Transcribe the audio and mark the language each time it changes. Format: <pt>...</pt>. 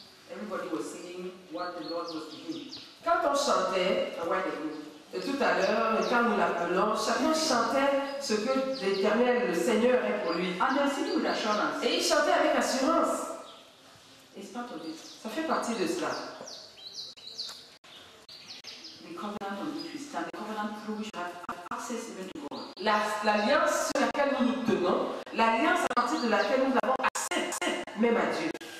<en>Everybody was singing what the Lord was doing.</en> <fr>Quand on chantait, tout à l'heure, quand nous l'appelons, chacun chantait ce que l'Éternel, le Seigneur, est pour lui. Ah, merci pour l'assurance. Et il chantait avec assurance.</fr> <en>It's part of it.</en> <fr>Ça fait partie de cela.</fr> <en>The covenant on which we stand, the covenant through which we have access even to God.</en> <fr>L'alliance sur laquelle nous nous tenons, l'alliance à partir de laquelle nous avons accès même à Dieu.</fr>